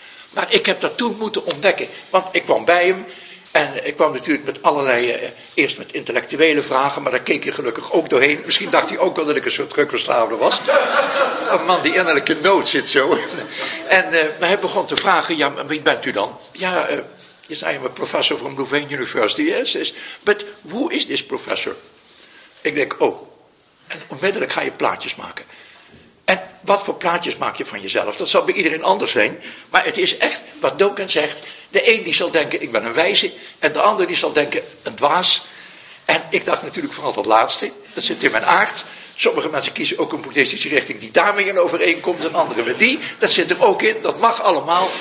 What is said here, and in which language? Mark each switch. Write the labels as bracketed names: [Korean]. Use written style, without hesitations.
[Dutch] Maar ik heb dat toen moeten ontdekken, want ik kwam bij hem. En ik kwam natuurlijk met allerlei, eerst met intellectuele vragen, maar daar keek hij gelukkig ook doorheen. Misschien dacht hij ook wel dat ik een soort drukverslaafde was. Een man die innerlijk in nood zit zo. En hij begon te vragen, ja, wie bent u dan? Ja, [English] Yes, I am a professor from Louvain University. Yes, yes. But who is this professor? [Dutch] Ik denk, oh. En onmiddellijk ga je plaatjes maken. En wat voor plaatjes maak je van jezelf? Dat zal bij iedereen anders zijn. Maar het is echt wat Duncan zegt. De een die zal denken, ik ben een wijze. En de ander die zal denken, een dwaas. En ik dacht natuurlijk vooral dat laatste. Dat zit in mijn aard. Sommige mensen kiezen ook een boeddhistische richting die daarmee in overeenkomt. En andere met die. Dat zit er ook in. Dat mag allemaal.